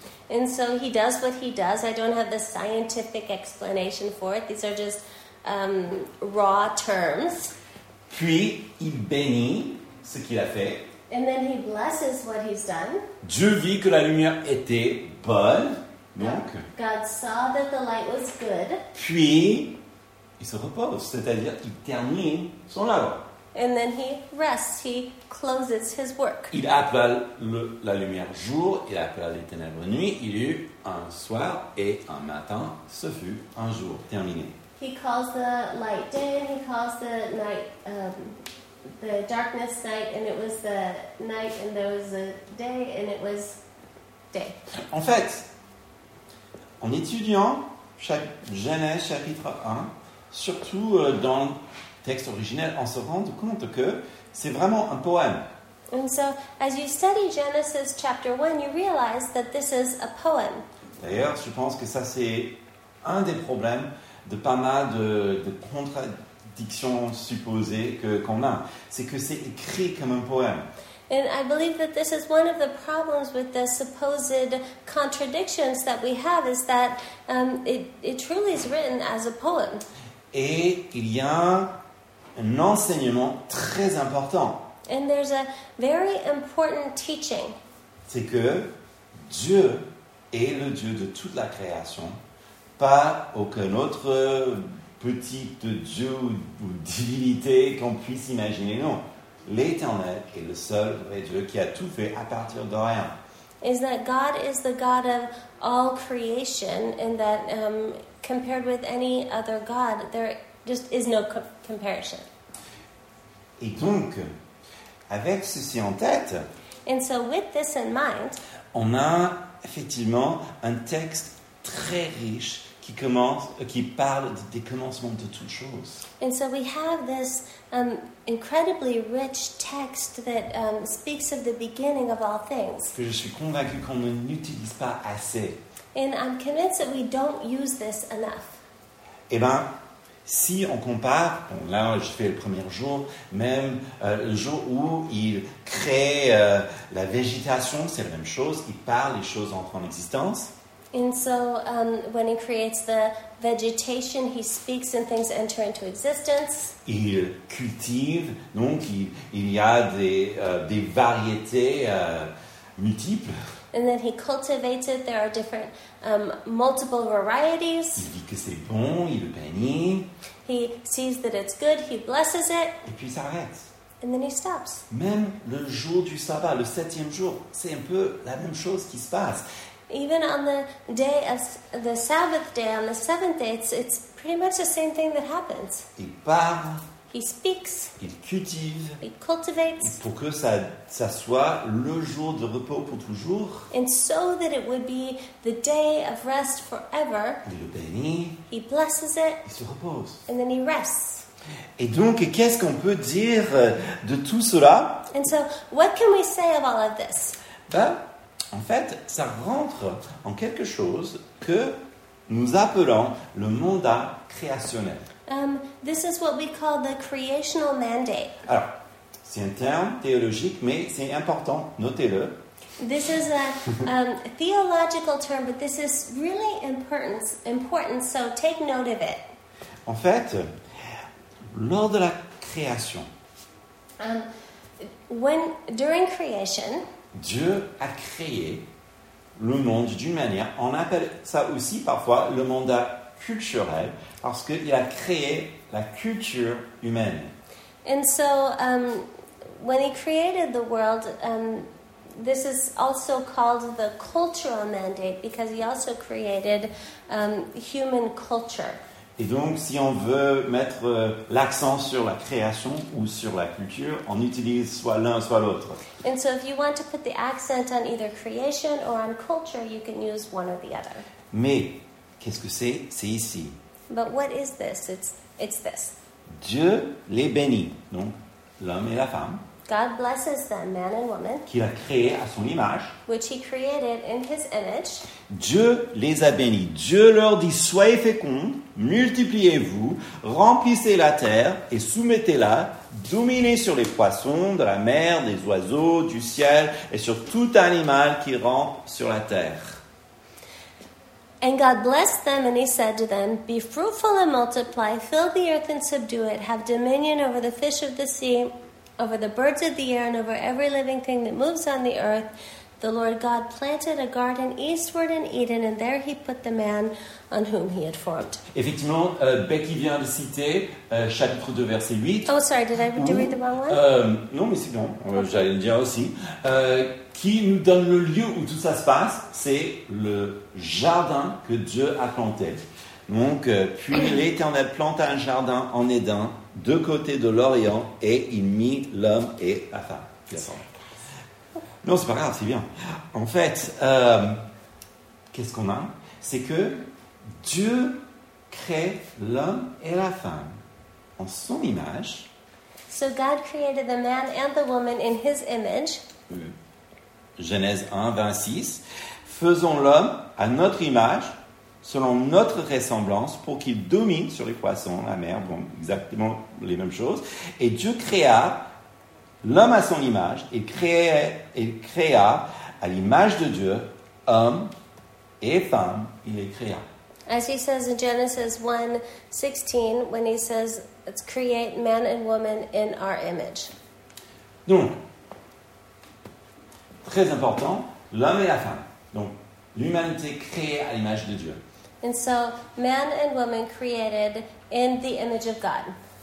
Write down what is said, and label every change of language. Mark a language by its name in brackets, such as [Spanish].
[English] And so he does what he does. I don't have the scientific explanation for it. These are just raw terms. [French] Puis, il bénit ce qu'il a fait. [English] And then he blesses what he's done. [French] Dieu vit que la lumière était bonne. Donc, [English] God saw that the light was good. [French] Puis, il se repose, c'est-à-dire qu'il termine son œuvre. [English] And then he rests, he closes his work. [French] Il appelle la lumière jour, il appelle les ténèbres nuit, il y eut un soir et un matin, ce fut un jour terminé. [English] He calls the light day, and he calls the night, the darkness night, and it was the night, and there was a day, and it was day. [French] En fait, en étudiant Genèse chapitre 1, surtout dans le texte originel, on se rend compte que c'est vraiment un poème. [English] And so, as you study Genesis chapter 1, you realize that this is a poem. [French] D'ailleurs, je pense que ça, c'est un des problèmes de pas mal de contradictions supposées qu'on a. C'est que c'est écrit comme un poème. [English] And I believe that this is one of the problems with the supposed contradictions that we have, is that it truly is written as a poem. [French] Et il y a un enseignement très important. [English] And there's a very important teaching. [French] C'est que Dieu est le Dieu de toute la création. Pas aucun autre petit dieu ou divinité qu'on puisse imaginer, non. L'Éternel est le seul vrai Dieu qui a tout fait à partir de rien. [English] Is that God is the God of all creation, and that compared with any other God, there just is no comparison. [French] Et donc, avec ceci en tête, [English] and so with this in mind, [French] on a effectivement un texte très riche qui parle des commencements de toutes choses. [English] And so we have this incredibly rich text that speaks of the beginning of all things. [French] Que je suis convaincu qu'on n'utilise pas assez. [English] And I'm convinced that we don't use this enough. [French] Eh bien, si on compare, bon, là je fais le premier jour, même le jour où il crée la végétation, c'est la même chose, il parle, les choses entrent en existence. [English] And so, when he creates the vegetation, he speaks and things enter into existence. [French] Il cultive, donc il y a des variétés multiples. [English] And then he cultivates it. There are different multiple varieties. [French] Il dit que c'est bon, il le bénit. [English] He sees that it's good, he blesses it. [French] Et puis il s'arrête. [English] And then he stops. [French] Même le jour du sabbat, le septième jour, c'est un peu la même chose qui se passe. [English] Even on the day of the Sabbath day, on the seventh day, it's pretty much the same thing that happens. [French] Il parle, [English] He speaks. [French] Il cultive. [English] He cultivates. [French] Pour que ça soit le jour de repos pour toujours. [English] And so that it would be the day of rest forever. [French] Il le bénit. [English] He blesses it. [French] Il se repose. [English] And then he rests. [French] Et donc, qu'est-ce qu'on peut dire de tout cela? [English] And so, what can we say of all of this? [French] Ben, en fait, ça rentre en quelque chose que nous appelons le mandat créationnel. [English] This is what we call the creational mandate. [French] Alors, c'est un terme théologique, mais c'est important, notez-le. [English] This is a theological term, but this is really important, so take note of it. [French] En fait, lors de la création, [English] during creation, [French] Dieu a créé le monde d'une manière, on appelle ça aussi parfois le mandat culturel, parce qu'il a créé la culture humaine. [English] And so, when he created the world, this is also called the cultural mandate, because he also created human culture. [French] Et donc, si on veut mettre l'accent sur la création ou sur la culture, on utilise soit l'un, soit l'autre. [English] And so, if you want to put the accent on either creation or on culture, you can use one or the other. [French] Mais qu'est-ce que c'est? C'est ici. [English] But what is this? It's this. [French] Dieu les bénit, donc l'homme et la femme. [English] God blesses them, man and woman. [French] Qu'il a créé à son image. [English] Which he created in his image. [French] Dieu les a bénis. Dieu leur dit, soyez féconds, multipliez-vous, remplissez la terre et soumettez-la, dominez sur les poissons de la mer, des oiseaux, du ciel et sur tout animal qui rampe sur la terre. [English] And God blessed them, and he said to them, be fruitful and multiply, fill the earth and subdue it, have dominion over the fish of the sea, over the birds of the air, and over every living thing that moves on the earth. The Lord God planted a garden eastward in Eden, and there he put the man on whom he had formed. [French] Effectivement, Becky vient de citer chapitre 2, verset 8. [English] Oh, sorry, did I read the wrong one? [French] Non, mais c'est bon, j'allais le dire aussi. Qui nous donne le lieu où tout ça se passe, c'est le jardin que Dieu a planté. Donc, puis l'Éternel planta un jardin en Éden, de côté de l'Orient, et il mit l'homme et la femme. Non, c'est pas grave, c'est bien. En fait, qu'est-ce qu'on a? C'est que Dieu crée l'homme et la femme en son image. [English] So God created the man and the woman in his image. [French] Genèse 1, 26. Faisons l'homme à notre image, selon notre ressemblance, pour qu'il domine sur les poissons, la mer, bon, exactement les mêmes choses. Et Dieu créa l'homme à son image, et créa à l'image de Dieu, homme et femme, il les créa. [English] As he says in Genesis 1, 16, when he says, let's create man and woman in our image. [French] Donc, très important, l'homme et la femme. Donc, l'humanité créée à l'image de Dieu. [English] And so, man and woman created in the image of God.